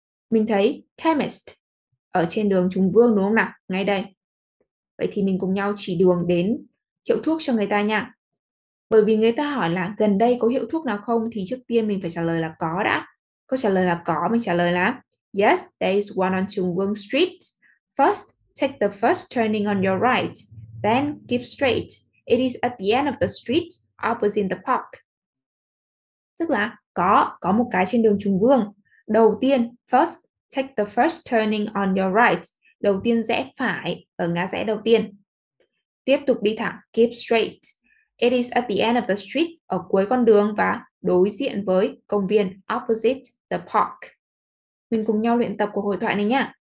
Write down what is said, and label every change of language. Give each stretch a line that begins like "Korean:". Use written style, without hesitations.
Vietnamese: Mình thấy chemist ở trên đường Trùng Vương đúng không nào? Ngay đây. Vậy thì mình cùng nhau chỉ đường đến hiệu thuốc cho người ta nha. Bởi vì người ta hỏi là gần đây có hiệu thuốc nào không thì trước tiên mình phải trả lời là có đã. Câu trả lời là có, mình trả lời là
English: "Yes, there is one on Trùng Vương Street. First, take the first turning on your right. Then, keep straight. It is at the end of the street, opposite the park."
Vietnamese: Tức là có một cái trên đường Trùng Vương. Đầu tiên,
English: first, take the first turning on your right.
Vietnamese: Đầu tiên rẽ phải, ở ngã rẽ đầu tiên. Tiếp tục đi thẳng,
English: keep straight. It is at the end of the street,
Vietnamese: ở cuối con đường và đối diện với công viên,
English: opposite the park.
Vietnamese: Mình cùng nhau luyện tập cuộc hội thoại này nhé.